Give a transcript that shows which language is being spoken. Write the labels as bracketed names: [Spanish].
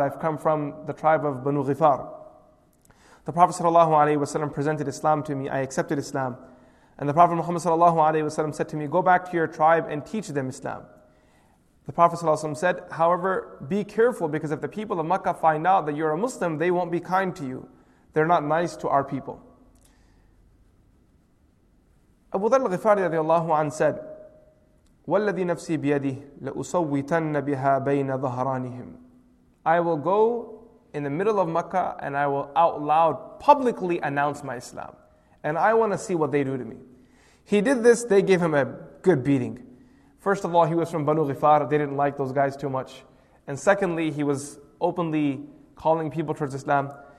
[English] I've come from the tribe of Banu Ghifar. The Prophet sallallahu alayhi wasallam presented Islam to me. I accepted Islam. And the Prophet Muhammad sallallahu alayhi wasallam said to me, go back to your tribe and teach them Islam. The Prophet sallallahu alayhi wasallam said, however, be careful, because if the people of Makkah find out that you're a Muslim, they won't be kind to you. They're not nice to our people. [Arabic] Abu Dharr al-Ghifari radiallahu anhu said, وَالَّذِي نَفْسِي بِيَدِهِ لَأُصَوِّتَنَّ بِهَا بَيْنَ ظَهَرَانِهِمْ. [English] I will go in the middle of Makkah and I will out loud publicly announce my Islam. And I want to see what they do to me. He did this, they gave him a good beating. First of all, he was from Banu Ghifar, they didn't like those guys too much. And secondly, he was openly calling people towards Islam.